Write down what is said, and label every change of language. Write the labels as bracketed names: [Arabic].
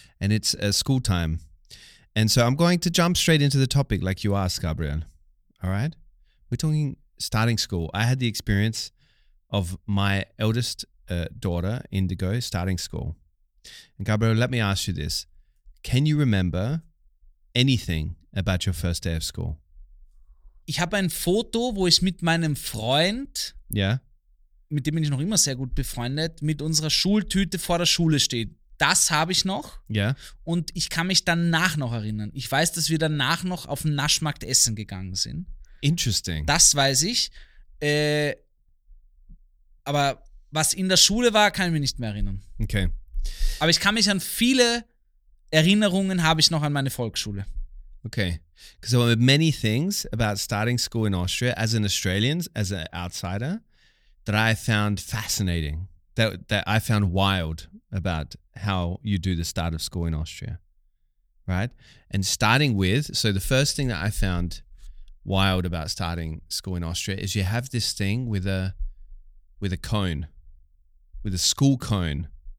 [English] And it's school time. And so I'm going to jump straight into the topic like you asked, Gabriel. All right? We're talking starting school. I had the experience of my eldest daughter, Indigo, starting school. And Gabriel, let me ask you this. Can you remember anything about your first day of school? [German] Ich habe ein Foto, wo ich mit meinem Freund, mit dem bin ich noch immer sehr gut befreundet, mit unserer Schultüte vor der Schule steht. Das habe ich noch. Ja. Und ich kann mich danach noch erinnern. Ich weiß, dass wir danach noch auf den Naschmarkt essen gegangen sind. [English] Interesting. [German] Das weiß ich. Aber was in der Schule war, kann ich mir nicht mehr erinnern. [English] Okay. [German] Aber ich kann mich an viele Erinnerungen habe ich noch an meine Volksschule. [English] Okay. Because there were many things about starting school in Austria as an Australian, as an outsider, that I found fascinating, that I found wild about how you do the start of school in Austria, right? And starting with, so the first thing that I found wild about starting school in Austria is you have this thing with a cone, with a school cone.